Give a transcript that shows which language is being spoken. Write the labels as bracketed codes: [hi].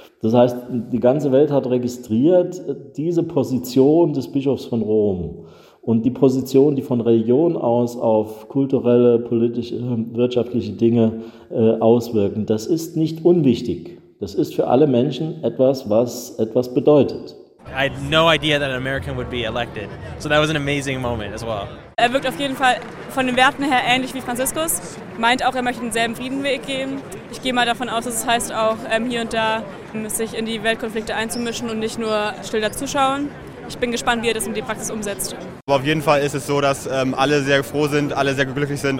[de] Das heißt, die ganze Welt hat registriert diese Position des Bischofs von Rom. Und die Position, die von Religion aus auf kulturelle, politische, wirtschaftliche Dinge auswirken, das ist nicht unwichtig. Das ist für alle Menschen etwas, was etwas bedeutet. [en] I had no idea that an American would be elected. So that was an amazing moment as well. [de] Er wirkt auf jeden Fall von den Werten her ähnlich wie Franziskus. Meint auch, er möchte denselben Friedenweg gehen. Ich gehe mal davon aus, dass es heißt auch hier und da sich in die Weltkonflikte einzumischen und nicht nur still dazuschauen. Ich bin gespannt, wie er das in die Praxis umsetzt. Aber auf jeden Fall ist es so, dass alle sehr froh sind, alle sehr glücklich sind.